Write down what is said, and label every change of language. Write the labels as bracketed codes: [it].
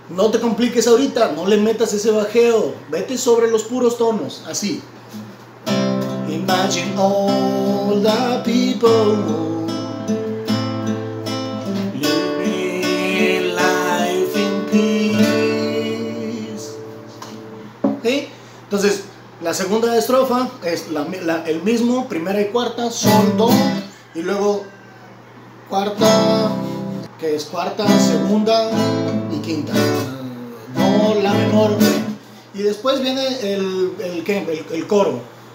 [es] te compliques ahorita, no le metas ese bajeo, vete sobre los puros tonos, así. [en] Imagine all the people living life in peace. [es] ¿Sí? Entonces, la segunda estrofa es el mismo, primera y cuarta, sol, do, y luego cuarta, que es cuarta, segunda y quinta, do, la menor, y después viene el coro.